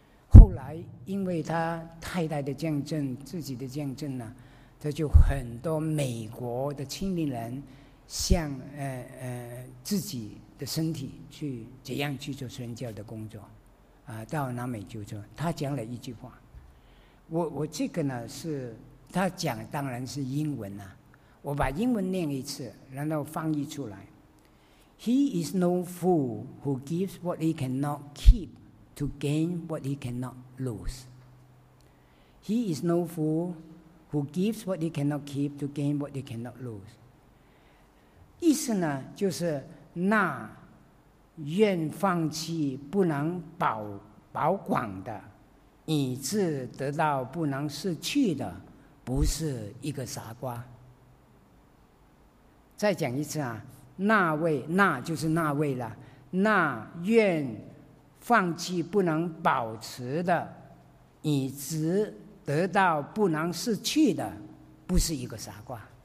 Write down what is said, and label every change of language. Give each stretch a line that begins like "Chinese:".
Chinese: 后来因为他太太的见证，自己的见证呢，他就很多美国的青年人向自己的身体去怎样去做宣教的工作啊，到南美洲做。他讲了一句话，我这个呢是他讲，当然是英文啊，我把英文念一次，然后翻译出来。
English: He is no fool who gives what he cannot keep to gain what he cannot lose. He is no fool who gives what he cannot keep to gain what he cannot lose.
Chinese: 意思呢，就是那愿放弃不能保管的，以致得到不能失去的，不是一个傻瓜。再讲一次啊，那愿放弃不能保持的，以致得到不能失去的，不是一个傻瓜。